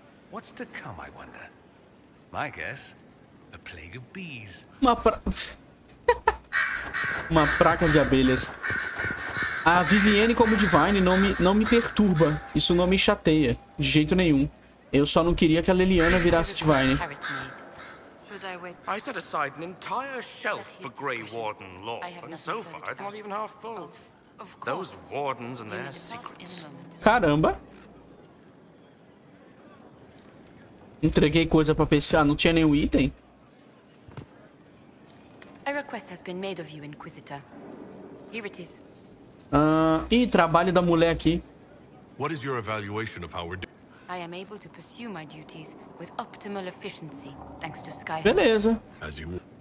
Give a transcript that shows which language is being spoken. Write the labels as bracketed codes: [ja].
[en] What's to come, I wonder? My guess, a plague of bees. [pt] Uma praga de abelhas. A Vivienne como Divine não me perturba. Isso não me chateia de jeito nenhum. Eu só não queria que a Leliana virasse Divine. [en] I set aside an entire shelf for Grey Warden lore, but so far it's not even half full. Those wardens and their secrets. [pt] Caramba! Entreguei coisa pra PC, não tinha nenhum item. [en] A request has been made of you, Inquisitor. Here it is. [pt] Ih, trabalho da mulher aqui. [en] What is your evaluation of how we're doing? I am able to pursue my duties with optimal efficiency, thanks to Sky. [pt] Beleza. [en] As you...